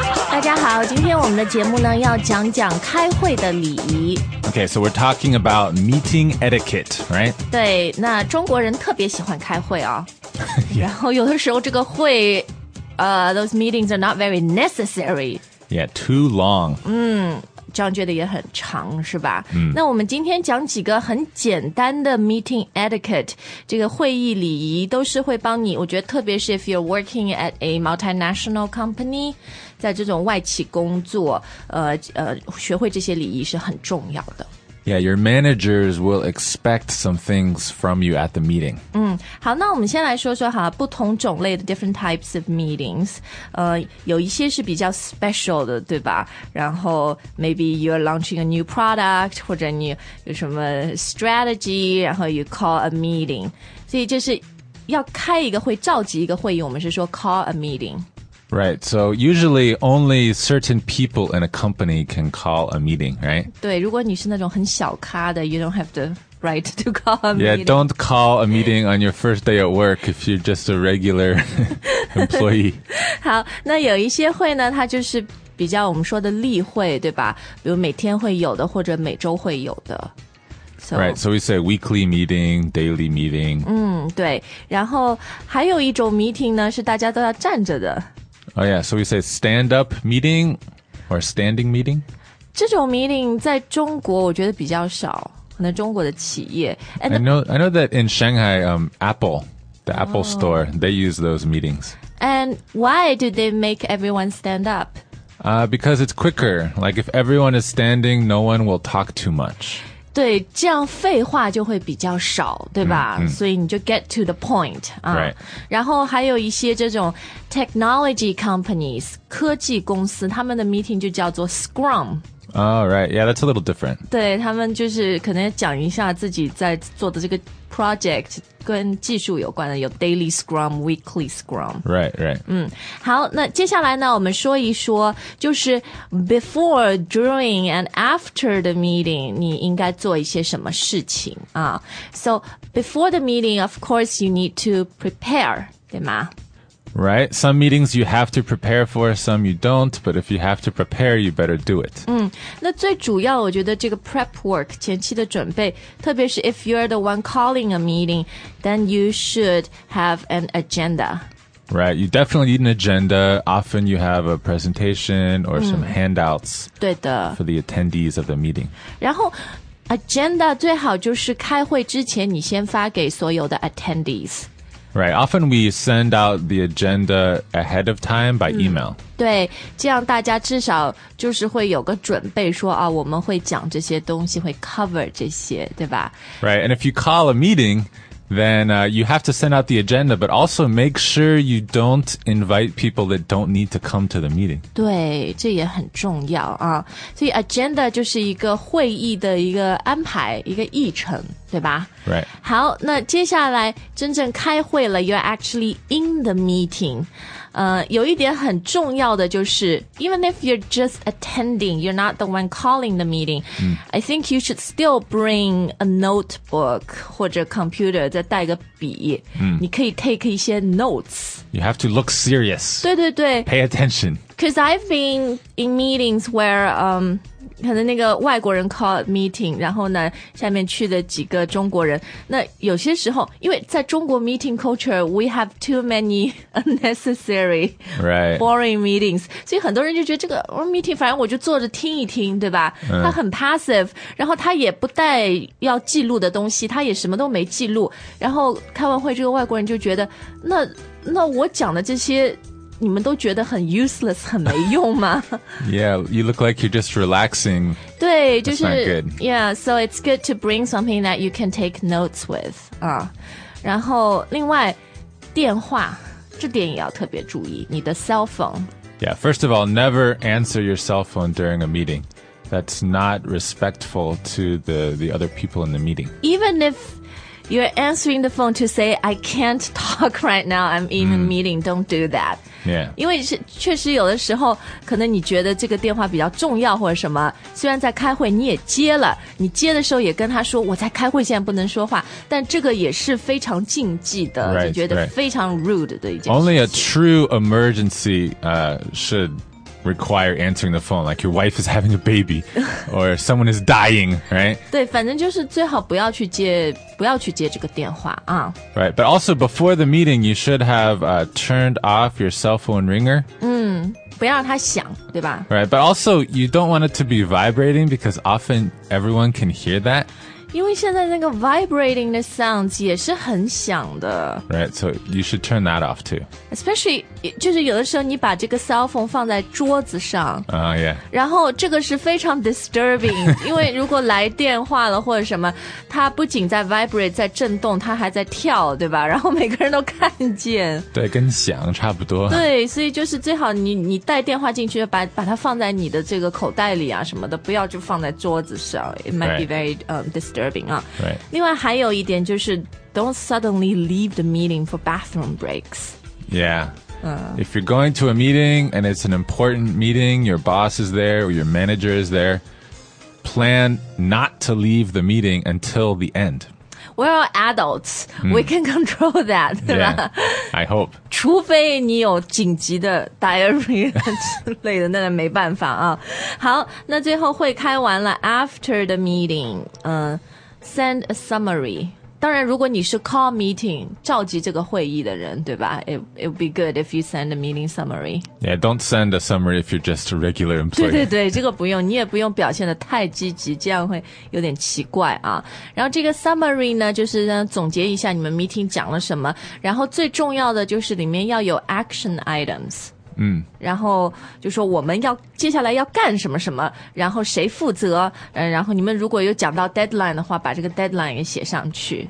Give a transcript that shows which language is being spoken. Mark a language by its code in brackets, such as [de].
[zh] 大家好，今天我们的节目呢要讲讲开会的礼仪。 [en] Okay, so we're talking about meeting etiquette, right? [zh] 对，那中国人特别喜欢开会啊。然后有的时候这个会 [en] those meetings are not very necessary. Yeah, too long. [zh] 嗯，这样觉得也很长，是吧？嗯。那我们今天讲几个很简单的 [en] meeting etiquette, [zh] 这个会议礼仪都是会帮你，我觉得特别是 [en] if you're working at a multinational company, [zh] 在这种外企工作学会这些礼仪是很重要的。 [en] Yeah, your managers will expect some things from you at the meeting. [zh] 嗯，好，那我们先来说说哈，不同种类的 [en] different types of meetings. [zh] 有一些是比较 special 的，对吧？ [en] 然后 maybe you're launching a new product, [zh] 或者你有什么 [en] strategy, 然后 you call a meeting. [zh] 所以就是要开一个会，召集一个会议，我们是说 [en] call a meeting. Right, so usually only certain people in a company can call a meeting, right? [zh] 对，如果你是那种很小咖的 [en] you don't have the right to call a meeting. Yeah, don't call a meeting on your first day at work if you're just a regular employee. [zh] 好，那有一些会呢，它就是比较我们说的例会，对吧？比如每天会有的或者每周会有的。 [en] So, right, so we say weekly meeting, daily meeting. [zh] 嗯，对，然后还有一种 meeting 呢，是大家都要站着的。 [en] Oh yeah, so we say stand-up meeting or standing meeting? [zh] 这种 meeting 在中国我觉得比较少，可能中国的企业。 [en] I know that in Shanghai, Apple, the Apple store, they use those meetings. And why do they make everyone stand up? Because it's quicker. Like if everyone is standing, no one will talk too much. [zh] 对，这样废话就会比较少，对吧？ Mm-hmm. 所以你就 [en] get to the point.、 Right. [zh] 然后还有一些这种 [en] technology companies, [zh] 科技公司，他们的 meeting 就叫做 scrum。 [en] Oh, right. Yeah, that's a little different. [zh] 对，他们就是可能讲一下自己在做的这个 project 跟技术有关的，有 daily scrum, weekly scrum. [en] Right, right. [zh] 嗯，好，那接下来呢，我们说一说，就是 [en] before, during, and after the meeting, [zh] 你应该做一些什么事情啊。 [en] So, before the meeting, of course, you need to prepare, [zh] 对吗？ [en] Right, some meetings you have to prepare for, some you don't, but if you have to prepare, you better do it. [zh] 嗯，那最主要我觉得这个 [en] prep work, [zh] 前期的准备，特别是 [en] if you're the one calling a meeting, then you should have an agenda. Right, you definitely need an agenda. Often you have a presentation or some handouts [zh] 对的 [en] for the attendees of the meeting. [zh] 然后 agenda 最好就是开会之前你先发给所有的 attendees。 [en] Right, often we send out the agenda ahead of time by email. [zh] 对，这样大家至少就是会有个准备说啊，我们会讲这些东西，会 cover 这些，对吧？ [en] Right, and if you call a meeting, then you have to send out the agenda, but also make sure you don't invite people that don't need to come to the meeting. [zh] 对，这也很重要啊。所以 agenda 就是一个会议的一个安排，一个议程。对吧 [en] ？Right. [zh] 好，那接下来真正开会了 ， [en] you're actually in the meeting. [zh] 有一点很重要的就是 [en] ，even if you're just attending, you're not the one calling the meeting.、I think you should still bring a notebook 或者 computer, [zh] 再带个笔。你可以 take 一些 notes. [en] You have to look serious. [zh] 对对对。 [en] Pay attention. Because I've been in meetings where [zh] 可能那个外国人 [en] call meeting, [zh] 然后呢下面去的几个中国人。那有些时候因为在中国 [en] meeting culture, we have too many unnecessary boring meetings.、 Right. [zh] 所以很多人就觉得这个 meeting, 反正我就坐着听一听对吧、他很 passive, 然后他也不带要记录的东西，他也什么都没记录。然后开完会这个外国人就觉得那我讲的这些你们都觉得很 useless, 很没用吗? [en] Yeah, you look like you're just relaxing. [zh] 对，就是 [en] That's not good. Yeah, so it's good to bring something that you can take notes with. 然后另外电话，这点也要特别注意，你的 cell phone. Yeah, first of all, never answer your cell phone during a meeting. That's not respectful to the other people in the meeting. Even if you're answering the phone to say, I can't talk right now, I'm in a meeting, don't do that. Yeah. [zh] 因为确实有的时候可能你觉得这个电话比较重要或者什么，虽然在开会你也接了，你接的时候也跟他说我在开会，现在不能说话，但这个也是非常禁忌的， [en] right, [zh] 就觉得非常 rude 的一件事情。 [en] Only a true emergency should require answering the phone, like your wife is having a baby or someone is dying, right? [zh] 对，反正就是最好不要去接，不要去接这个电话啊。 [en] Right, but also before the meeting, you should have turned off your cell phone ringer. [zh] 不要让它响，对吧？ [en] Right, but also you don't want it to be vibrating because often everyone can hear that. [zh] 因为现在那个 vibrating 的 sounds 也是很响的。 [en] Right, so you should turn that off too. [zh] Especially, 就是有的时候你把这个 cell phone 放在桌子上。 [en] Yeah. [zh] 然后这个是非常 disturbing, 因为如果来电话了或者什么，它不仅在 vibrate, 在震动，它还在跳，对吧？然后每个人都看见。对，跟响差不多。对，所以就是最好你带电话进去，把它放在你的这个口袋里啊什么的，不要就放在桌子上。 [en] It might be very disturbing, huh? Right. [zh] 另外还有一点就是 [en] don't suddenly leave the meeting for bathroom breaks. Yeah. If you're going to a meeting and it's an important meeting, your boss is there or your manager is there, plan not to leave the meeting until the end. We're all adults. We can control that. Yeah. I hope. [zh] 除非你有紧急的 diarrhea 之类的，那没办法啊。好，那最后会开完了 [en] after the meeting, send a summary. [zh] 当然如果你是 call meeting, 召集这个会议的人，对吧？ [en] It would be good if you send a meeting summary. Yeah, don't send a summary if you're just a regular employee. [zh] 对对对，这个不用，你也不用表现得太积极，这样会有点奇怪啊。然后这个 summary 呢，就是总结一下你们 meeting 讲了什么，然后最重要的就是里面要有 action items。然后就说我们要接下来要干什么什么，然后谁负责，然后你们如果有讲到 deadline 的话，把这个 deadline 也写上去。